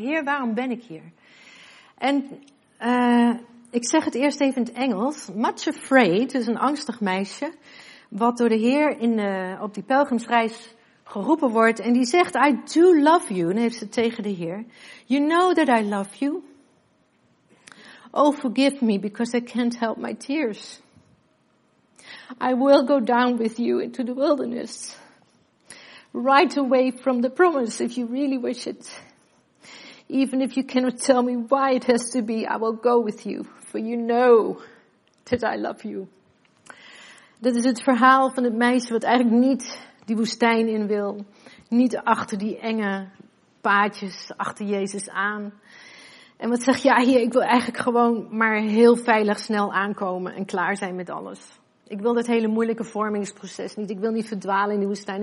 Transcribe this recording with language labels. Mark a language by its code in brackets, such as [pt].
[nl] Heer, waarom ben ik hier? En ik zeg het eerst even in het Engels. Much afraid is een angstig meisje wat door de Heer op die pelgrimsreis geroepen wordt. En die zegt, [en] I do love you. [nl] En heeft ze tegen de Heer. [en] You know that I love you. Oh, forgive me because I can't help my tears. I will go down with you into the wilderness. Right away from the promise, if you really wish it. Even if you cannot tell me why it has to be, I will go with you. For you know that I love you. [nl] Dat is het verhaal van het meisje wat eigenlijk niet die woestijn in wil. Niet achter die enge paadjes, achter Jezus aan. En wat zegt, ja, hier, ik wil eigenlijk gewoon maar heel veilig snel aankomen en klaar zijn met alles. Ik wil dat hele moeilijke vormingsproces niet. Ik wil niet verdwalen in die woestijn.